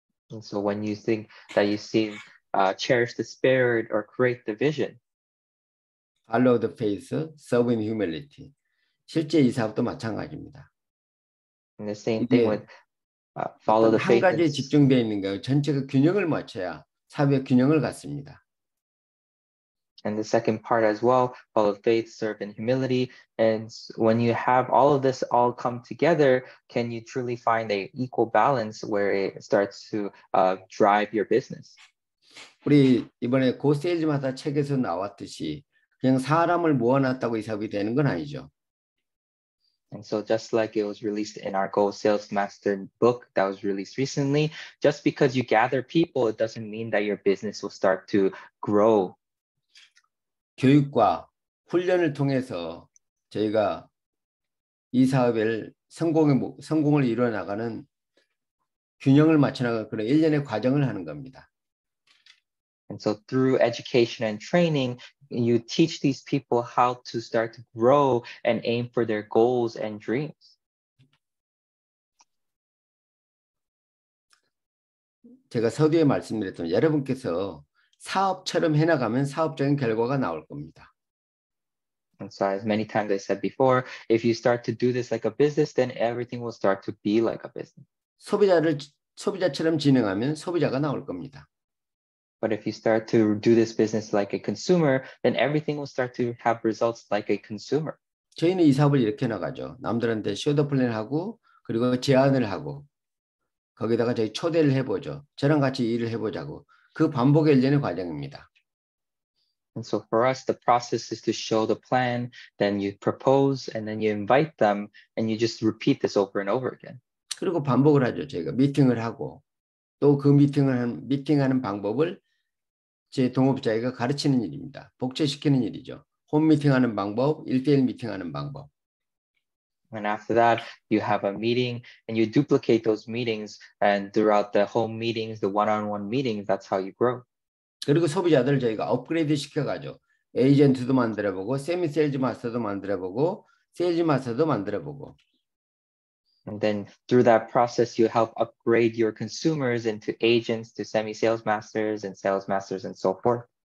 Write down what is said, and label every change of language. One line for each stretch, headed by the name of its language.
English: And so when you think that you seem cherish the spirit or create the vision. Follow the faith, serve in humility.
Korean: 실제 이 사업도 마찬가지입니다.
English: And the same thing with follow the faith.
Korean: 한 가지에 집중되어 있는 거예요. 전체가 균형을 맞춰야 사회 균형을 갖습니다.
English: And the second part as well, follow faith, serve in humility. And when you have all of this all come together, can you truly find an equal balance where it starts to drive your business?
Korean: 우리 이번에 고세일즈마다 책에서 나왔듯이 그냥 사람을 모아놨다고 이 사업이 되는 건 아니죠.
English: And so just like it was released in our Go Sales Master book that was released recently, just because you gather people, it doesn't mean that your business will start to grow.
Korean: 교육과 훈련을 통해서 저희가 이 사업의 성공을 이뤄나가는 균형을 맞춰나가는 그런 일련의 과정을 하는 겁니다.
English: And so through education and training, you teach these people how to start to grow and aim for their goals and dreams.
Korean: 제가 서두에 말씀드렸던 여러분께서 사업처럼 해나가면 사업적인 결과가 나올 겁니다.
English: And so as many times I said before, if you start to do this like a business, then everything will start to be like a business.
Korean: 소비자를 소비자처럼 진행하면 소비자가 나올 겁니다.
English: But if you start to do this business like a consumer, then everything will start to have results like a consumer.
Korean: 저희는 이 사업을 이렇게 나가죠. 남들한테 쇼더 플랜을 하고 그리고 제안을 하고 거기다가 저희 초대를 해보죠. 저랑 같이 일을 해보자고. 그 반복의 일련의 과정입니다.
English: And so for us, the process is to show the plan, then you propose, and then you invite them, and you just repeat this over and over again.
Korean: 그리고 반복을 하죠. 저희가 미팅을 하고. 또 그 미팅하는 방법을 제 동업자에게 가르치는 일입니다. 복제시키는 일이죠. 홈 미팅하는 방법, 1대1 미팅하는 방법.
English: And after that, you have a meeting and you duplicate those meetings and throughout the home meetings, the one-on-one meetings, that's how you grow.
Korean: 그리고 소비자들 저희가 업그레이드 시켜가죠. 에이전트도 만들어보고, 세미 세일즈 마스터도 만들어보고, 세일즈 마스터도 만들어보고.
English: And then through that process, you help upgrade your consumers into agents, to semi-sales masters and sales masters and so forth.